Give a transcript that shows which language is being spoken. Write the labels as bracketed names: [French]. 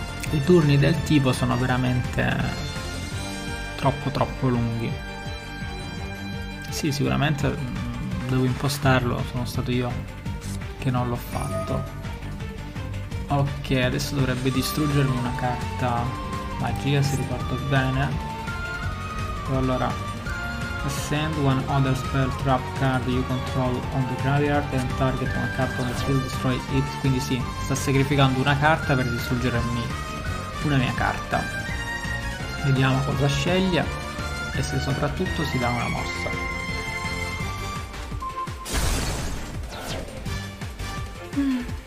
[Italian] I turni del tipo sono veramente troppo lunghi. Sì, sicuramente devo impostarlo, sono stato io che non l'ho fatto. Ok, adesso dovrebbe distruggermi una carta magia, se ricordo bene. Allora, [English] send one other spell trap card you control on the graveyard and target one card on the field, destroy it. [Italian] Quindi sì, sta sacrificando una carta per distruggermi una mia carta. Vediamo cosa sceglie e se soprattutto si dà una mossa. Mm.